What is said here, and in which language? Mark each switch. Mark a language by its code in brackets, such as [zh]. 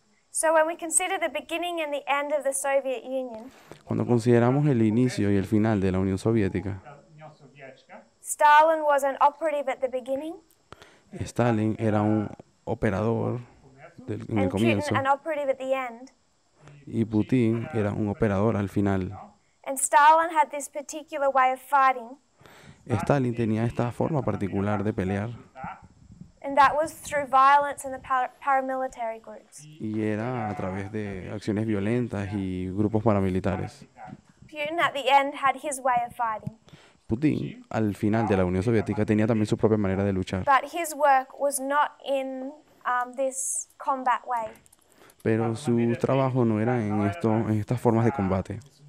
[en] So when we consider the beginning and the end of the Soviet Union, [es] cuando consideramos el inicio y el final de la Unión Soviética, [en] Stalin was an operative at the beginning. [es] Stalin era un operador en el comienzo. [en] And Putin an operative at the end. [es] Y Putin era un operador al final. [en] And Stalin had this particular way of fighting. [es] Stalin tenía esta forma particular de pelear. [en] And that was through violence and the paramilitary groups. [es] Y era a través de acciones violentas y grupos paramilitares. [en] Putin at the end had his way of fighting. [es] Putin, al final de la Unión Soviética, tenía también su propia manera de luchar. [en] But his work was not in this combat way. [es] Pero su trabajo no era en estas formas de combate.